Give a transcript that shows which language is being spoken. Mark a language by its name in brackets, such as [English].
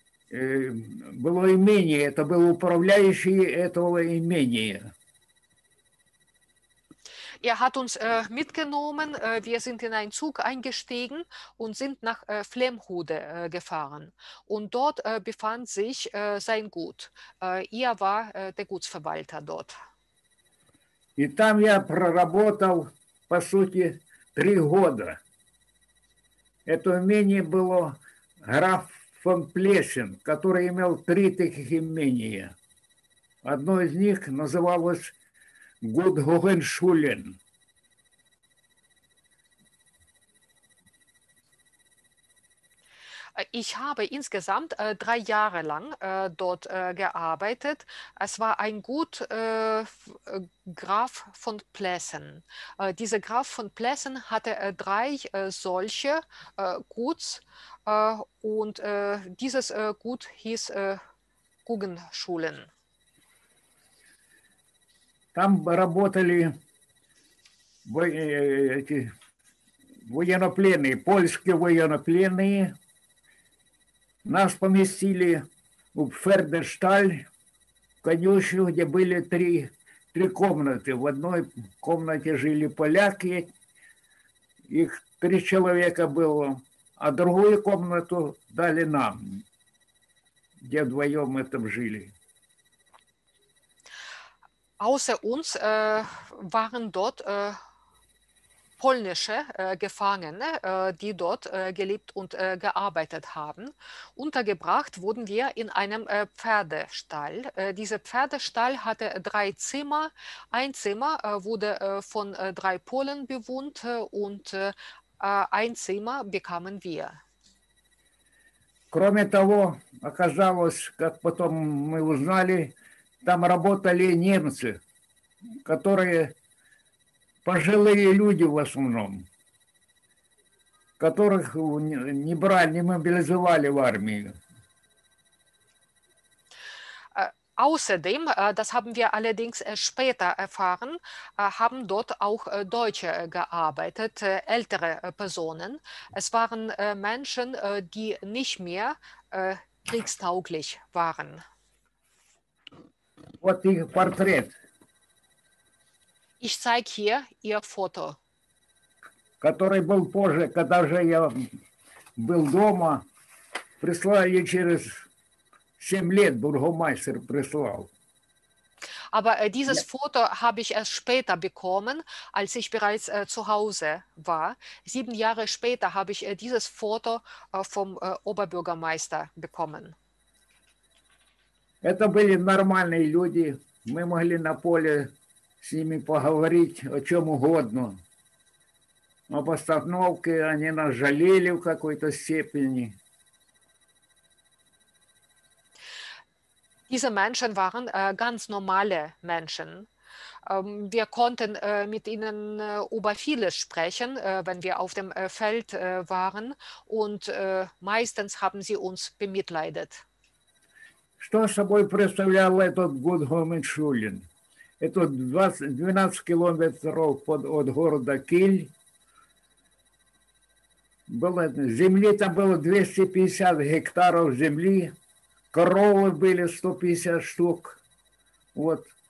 [Russian] Было имение, это был управляющий этого имения. [German] Er hat uns mitgenommen, wir sind in einen Zug eingestiegen und sind nach Flemhude gefahren. Und dort befand sich sein Gut. Er war der Gutsverwalter dort. [Russian] И там я проработал, по сути, 3 года. Это имение было граф фон Плешин, который имел 3 таких имения. Одно из них называлось Гуд Гогеншулен. [German] Ich habe insgesamt 3 Jahre lang dort gearbeitet. Es war ein Gut Graf von Plessen. Dieser Graf von Plessen hatte 3 solche Guts und dieses Gut hieß Guggenschulen. [Russian] Там работали военнопленные, польские военнопленные. Нас поместили в Фердершталь, в конюшню, где были 3 комнаты. В одной комнате жили поляки, их 3 человека было, а другую комнату дали нам, где вдвоем мы там жили. [German] Außer uns waren dort polnische Gefangene, die dort gelebt und gearbeitet haben. Untergebracht wurden wir in einem Pferdestall. Dieser Pferdestall hatte 3 Zimmer. Ein Zimmer wurde von 3 Polen bewohnt und ein Zimmer bekamen wir. [Russian] Кроме того, оказалось, как потом мы узнали, там работали немцы, которые пожилые люди в основном, которых не брали, не мобилизовали в армию. [German] Außerdem, das haben wir allerdings später erfahren, haben dort auch Deutsche gearbeitet, ältere Personen. Es waren Menschen, die nicht mehr kriegstauglich waren. [Russian] Вот их портрет. [German] Ich zeige hier ihr Foto. [Russian] Который был позже, когда же я был дома, в прислал ее через 7 лет, бургомайстер прислал. [German] Aber dieses Foto habe ich erst später bekommen, als ich bereits zu Hause war. 7 Jahre später habe ich dieses Foto vom Oberbürgermeister bekommen. [Russian] Это были нормальные люди. Мы могли на поле с ними поговорить о чем угодно. Но по остановке они нас жалели в какой-то степени. [German] Diese Menschen waren ganz normale Menschen. Wir konnten mit ihnen über vieles sprechen, wenn wir auf dem Feld waren. Und meistens haben sie uns bemitleidet. [Russian] Что собой представлял этот Гудгомичулин? Это 12 километров от города Киль. Земли там было 250 гектаров земли. Коровы были 150 штук. Вот.